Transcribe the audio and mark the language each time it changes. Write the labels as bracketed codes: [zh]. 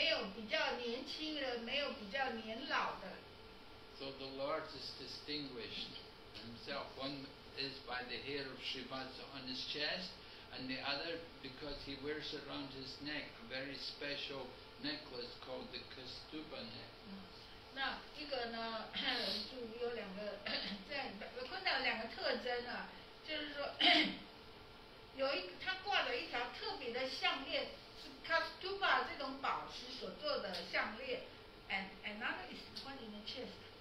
[zh] 在Vaikuntha，在那儿所有的生物都是所有的人都同年龄，没有比较年轻的，没有比较年老的。 [en] So the Lord is distinguished himself. One is by the hair of Srivatsa on his chest. And the other, because he wears around his neck a very special necklace called the Kastuba [zh] necklace.那一个呢，就有两个，在昆达两个特征啊，就是说，有一他挂了一条特别的项链，是Kastuba这种宝石所做的项链， [en] and another is one in the chest.